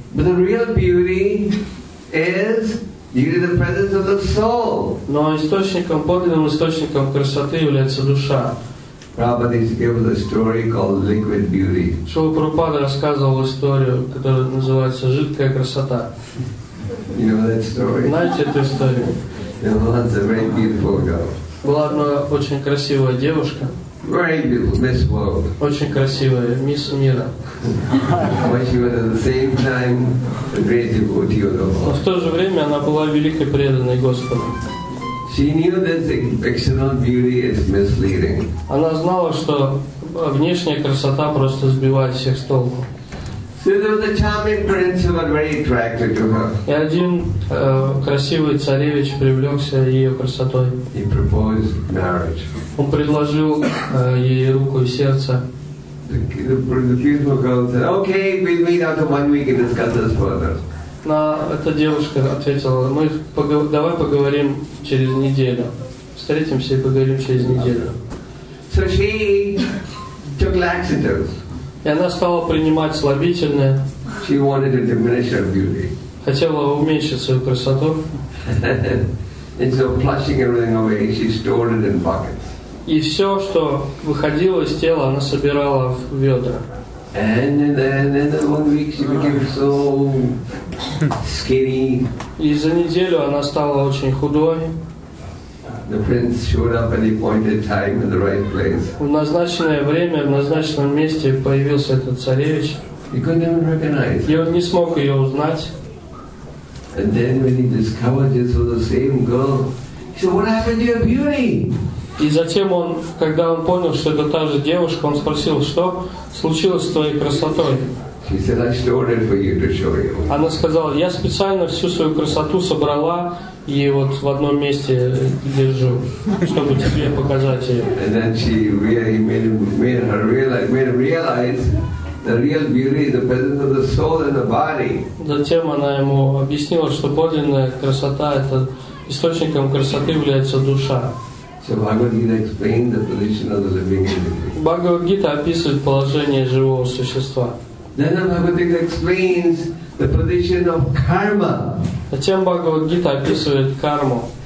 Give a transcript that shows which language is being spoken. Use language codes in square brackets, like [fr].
[en] But the real beauty is due to the presence of the soul. [ru] Но источником, подлинным источником красоты является душа. [en] Prabhupada gave us a story called Liquid Beauty. [ru] Шрила Прабхупада рассказывал историю, которая называется «Жидкая красота». [en] You know that story? [ru] Знаете эту историю? [en] There was a very beautiful girl. [ru] Была одна очень красивая девушка. [en] Very beautiful, Miss World. [ru] Очень красивая, Мисс Мира. [en] But she was at the same time a great devotee of the Lord. [ru] Но в то же время она была великой преданной Господу. [en] She knew that external beauty is misleading. [ru] Она знала, что внешняя красота просто сбивает всех с толку. [en] So there was a charming prince who was very attracted to her. [ru] И один красивый царевич привлекся ее красотой. [en] He proposed marriage. [ru] Он предложил ей руку и сердце. [en] The beautiful girl said, "Okay, we'll meet after 1 week and discuss this further." [ru] Но эта девушка ответила: "Мы давай поговорим через неделю. Встретимся и поговорим через неделю." [en] So she took laxatives. [ru] И она стала принимать слабительное. [en] She wanted to diminish her beauty. [ru] Хотела уменьшить свою красоту. [en] And so flushing everything away, she stored it in buckets. [ru] И все, что выходило из тела, она собирала в ведра. [en] And then in the 1 week she became so skinny. [ru] И за неделю она стала очень худой. [en] The prince showed up at the appointed time in the right place. [ru] В назначенное время, в назначенном месте появился этот царевич. [en] He couldn't even recognize. [ru] И он не смог ее узнать. [en] And then when he discovered it was the same girl, he said, "What happened to your beauty?" [ru] И затем он, когда он понял, что это та же девушка, он спросил, что случилось с твоей красотой? [en] She said, "I stored it for you to show you." [ru] Она сказала, я специально всю свою красоту собрала и вот в одном месте держу, чтобы тебе показать ее. [en] And then she really made her realize. The real beauty is the presence of the soul and the body. [ru] Затем она ему объяснила, что подлинная красота — это источником красоты является душа. [en] So Bhagavad-gita explained the position of the living entity. [ru] Бхагавад-гита описывает положение живого существа. [en] Then the Bhagavad-gita explains the position of karma. [ru] Затем Бхагавад-гита описывает карму.